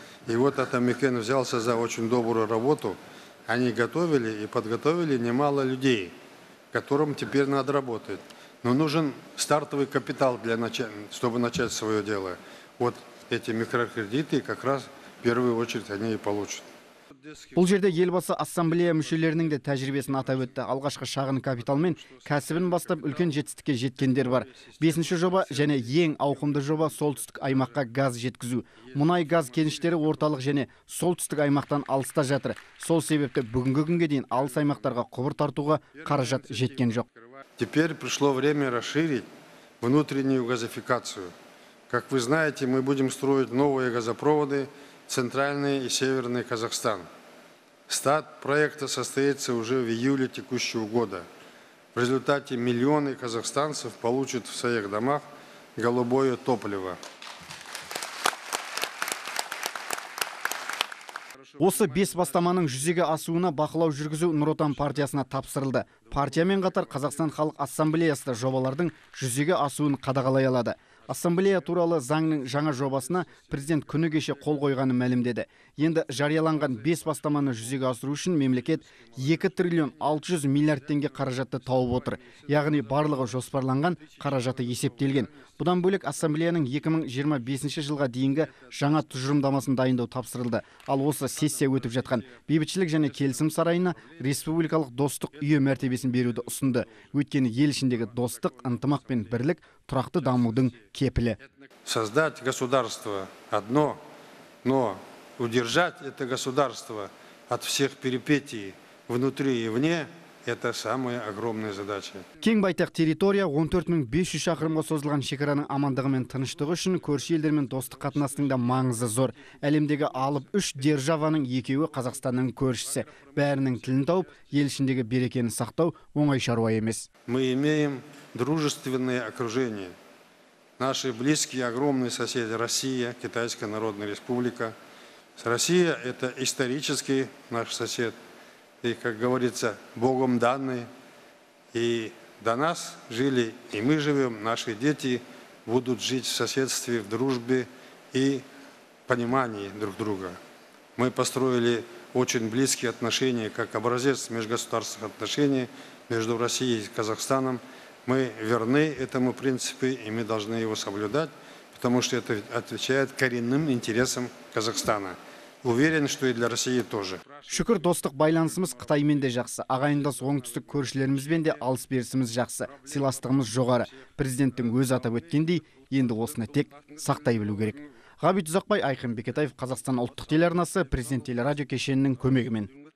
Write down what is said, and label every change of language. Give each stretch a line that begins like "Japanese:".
Russian: И вот Атамекен взялся за очень добрую работу. Они готовили и подготовили немало людей, которым теперь надо работать. Но нужен стартовый капитал, чтобы начать свое дело. Вот эти микрокредиты как раз в первую очередь они и получат.
Kazakh: Бұл жерде елбасы ассамблея мүшелерінің де тәжірибесін атап өтті. Алғашқы шағын капиталмен кәсібін бастап үлкен жетістікке жеткендер бар. Бесінші жоба және ең ауқымды жоба солтүстік аймаққа газ жеткізу. Мұнай газ кеніштері орталық және солтүстік аймақтан алыста жатыр. Сол себепті бүгінгі күнге дейін алыс аймақтарға құбыр тартуға қаражат жеткен жоқ.
Russian: Теперь пришло время расширить внутреннюю газификацию. Как вы знаете, мы будем строить новые газопроводы. Центральный и Северный Казахстан. Старт проекта состоится уже в июле текущего года. В результате миллионы казахстанцев получат в своих домах голубое топливо.
Kazakh: Осы бес бастаманың жүзеге асуына бақылау жүргізу Нұротан партиясына тапсырылды. Партиямен қатар Қазақстан Халық Ассамблеясы да жобалардың жүзеге асуын қадағалай алады. Ассамблея туралы заңның жаңа жобасына президент күні кеше қол қойғанын мәлімдеді. Енді жарияланған бес бастаманы жүзеге асыру үшін мемлекет 2 триллион 600 миллиард теңге қаражатты тауып отыр. Яғни барлығы жоспарланған қаражаты есептелген. Бұдан бөлек ассамблеяның 2025 жылға дейінгі жаңа тұжырымдамасын дайындау тапсырылды. Ал осы сессия өтіп жатқан Бейбітшілік және Келісім сарайына республикалық достық үйі мәртебесін беруді ұсынды. Өйткені ел ішіндегі достық, ынтымақ пен бірлік тұрақты дамудың кепілі.
Russian: Создать государство одно, но удержать это государство от всех перипетий внутри и вне – это самая огромная задача.
Kazakh: Кең байтақ территория 14500 шақырымға созылған шекараның амандығы мен тыныштығы үшін көрші елдермен достық қатынастың да маңызы зор. Әлемдегі алып үш державаның екеуі Қазақстанның көршісі. Бәрінің тілін тауып, ел ішіндегі берекені сақтау оңай шаруа емес.
Russian: Мы имеем дружественное окружение. Наши близкие, огромные соседи – Россия, Китайская Народная Республика. Россия – это исторический наш сосед, и, как говорится, Богом данный. И до нас жили, и мы живем, наши дети будут жить в соседстве, в дружбе и понимании друг друга. Мы построили очень близкие отношения, как образец межгосударственных отношений между Россией и Казахстаном. Мы верны этому принципу, и мы должны его соблюдать, потому что это отвечает коренным интересам Казахстана. Уверен, что и для России тоже.
Kazakh: Шүкір, достық байланысымыз Қытаймен де жақсы. Ағайындас оңтүстік көршілерімізбен де алыс-берісіміз жақсы. Сыйластығымыз жоғары. Президенттің өз атап өткендей, енді осыны тек сақтай білу керек. Ғабит Ұзақбай, Айқын Бекетаев, Қазақстан ұлттық телеарнасы, Президент телерадио кешенінің көмегімен.